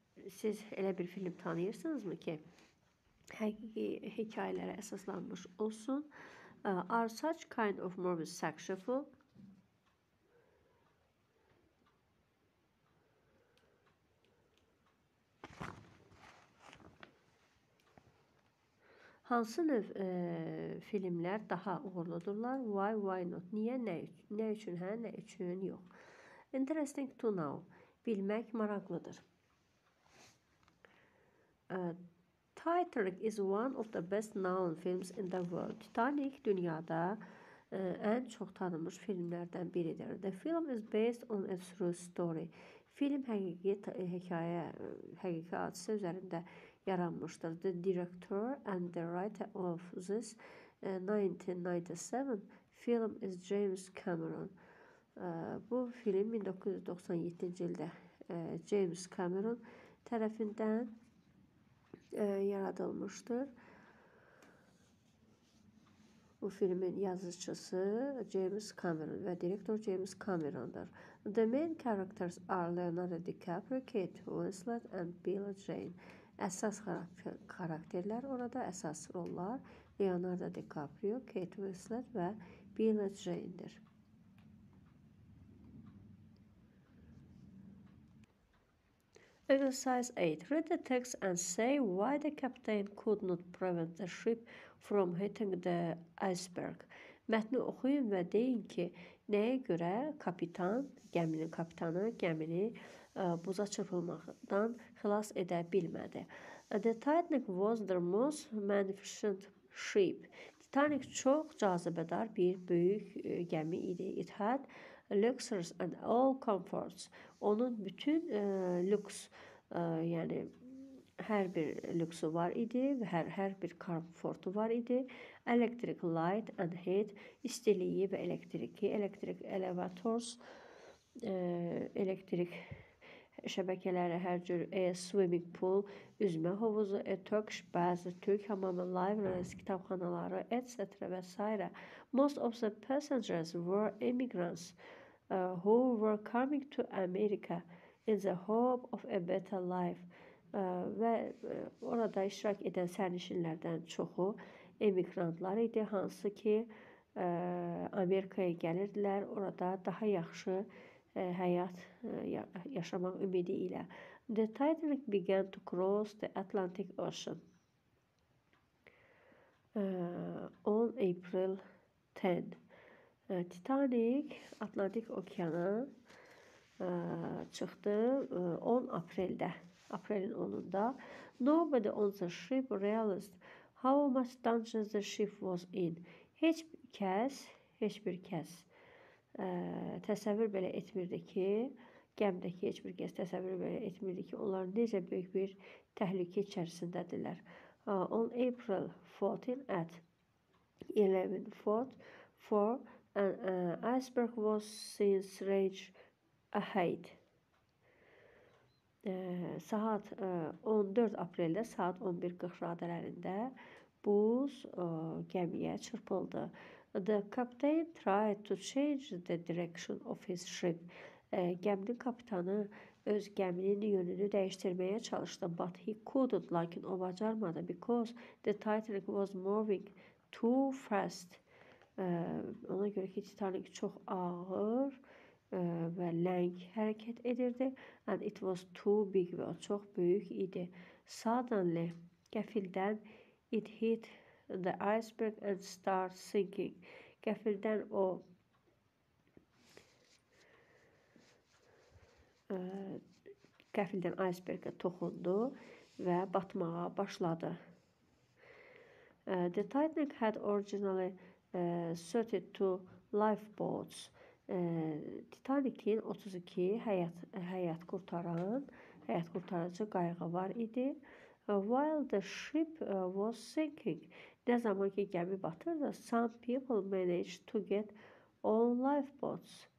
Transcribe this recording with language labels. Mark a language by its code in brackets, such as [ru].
[az] Siz elə bir film tanıyırsınızmı ki, həqiqi hekayələrə əsaslanmış olsun? [en] Are such kind of movies successful? [az] Hansı növ filmlər daha uğurludurlar? [en] Why not? [az] Niyə? Nə üçün? Hə? Nə üçün? Yox. [en] Interesting to know. [az] Bilmək maraqlıdır. [en] Titanic is one of the best known films in the world. [az] Titanic dünyada ən çox tanınmış filmlərdən biridir. [en] The film is based on a true story. [az] Film həqiqi hadisə üzərində yaranmışdır. [en] The director and the writer of this 1997 film is James Cameron. [az] Bu film 1997-ci ildə James Cameron tərəfindən yaradılmışdır. Bu filmin yazıçısı James Cameron ve direktör James Cameron'dır. [en] The main characters are Leonardo DiCaprio, Kate Winslet and Billie Jane. [az] Əsas karakterler orada, əsas rollar Leonardo DiCaprio, Kate Winslet ve Billie Jane'dir. [en] Exercise 8. Read the text and say why the captain could not prevent the ship from hitting the iceberg. [az] Mətni oxuyun və deyin ki, nəyə görə kapitan, gəminin kapitanı gəmini buza çırpılmadan xilas edə bilmədi. [en] The Titanic was the most magnificent ship. [az] Titanic çox cazibədar bir böyük gəmi idi. [en] It had luxuries and all comforts. [az] Onun bütün lüks, yəni hər bir lüksü var idi və hər bir komfortu var idi. [en] Electric light and heat, [az] istiliyi və elektriki, [en] electric elevators, [az] elektrik şəbəkələri, hər cür [en] swimming pool, [az] üzmə hovuzu, [en] Turkish bath, [az] Türk hamamı, [en] libraries, kitabxanaları, etc. [az] və s. [en] Most of the passengers were immigrants who were coming to America in the hope of a better life. [az] Və orada iştirak edən sərnişinlərdən çoxu emigrantlar idi, hansı ki Amerikaya gəlirdilər orada daha yaxşı həyat yaşamaq ümidi ilə. [en] The Titanic began to cross the Atlantic Ocean on April 10. [az] Titanic Atlantik Okeanı çıxdı 10 apreldə. Aprelin 10-da. [en] Nobody on the ship realized how much danger the ship was in. [az] Heç bir kəs təsəvvür belə etmirdi ki, gəmdəki heç bir kəs təsəvvür belə etmirdi ki, onlar necə böyük bir təhlükə içərisindədirlər. [en] On April 14 at 11:44 an iceberg was seen stretch ahead. [az] Saat 14 apreldə saat 11:40 radələrində buz gəmiyə çırpıldı. [en] The captain tried to change the direction of his ship. [az] Gəminin kapitanı öz gəminin yönünü dəyişdirməyə çalışdı. [en] But he couldn't, [az] lakin o bacarmadı. [en] Because the Titanic was moving too fast. [az] Ona görə ki, Titanic çox ağır və ləng hərəkət edirdi. [en] And it was too big, [az] və o çox böyük idi. [en] Suddenly, qəfildən it hit the iceberg and start sinking. [az] Qəfildən o qəfildən icebergə toxundu və batmağa başladı. [en] The Titanic had originally 32 lifeboats. [az] Titanic'in 32 həyat qurtarıcı qayığı var idi. [en] While the ship was sinking, [az] ne zaman ki gəmi batırdı, [en] some people managed to get on lifeboats.